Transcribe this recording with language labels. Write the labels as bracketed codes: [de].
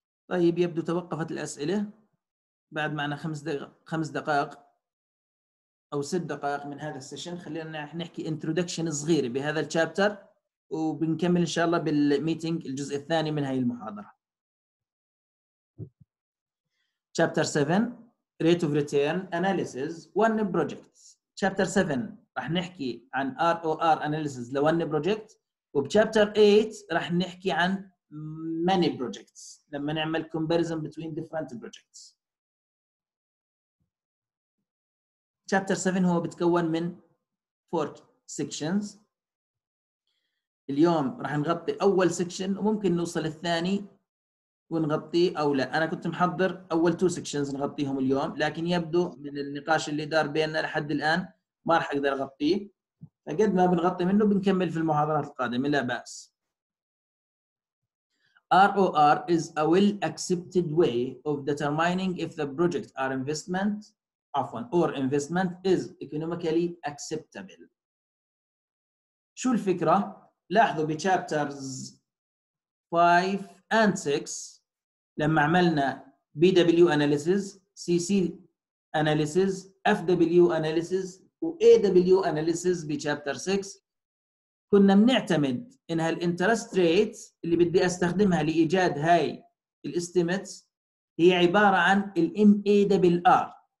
[ar] طيب يبدو توقفت الأسئلة بعد معنا 5 دقائق أو 6 دقائق من هذا السيشن. خلينا نحكي انترودكشن صغيرة بهذا الشابتر وبنكمل إن شاء الله بالميتينج الجزء الثاني من هاي المحاضرة. [en] Chapter 7 Rate of Return Analysis One Project. [ar] شابتر 7 رح نحكي عن ROR Analysis ل One Project، وبشابتر 8 رح نحكي عن Many Projects لما نعمل Comparison between different projects. Chapter 7 هو بتكون من 4 sections. اليوم راح نغطي أول section وممكن نوصل الثاني ونغطي أو لا. أنا كنت محضر أول 2 sections نغطيهم اليوم، لكن يبدو من النقاش اللي دار بيننا لحد الآن ما راح أقدر أغطيه، فقد ما بنغطي منه بنكمل في المحاضرات القادمة لا بأس. [en] ROR is a well-accepted way of determining if the project are investment or investment is economically acceptable. [ar] شو الفكرة؟ لاحظوا بشابترز 5 and 6 لما عملنا BW analysis, CC analysis, FW analysis و AW analysis بشابتر 6 كنا بنعتمد انها الانترست ريت اللي بدي استخدمها لإيجاد هاي الاستيميتس هي عبارة عن الـ MAR.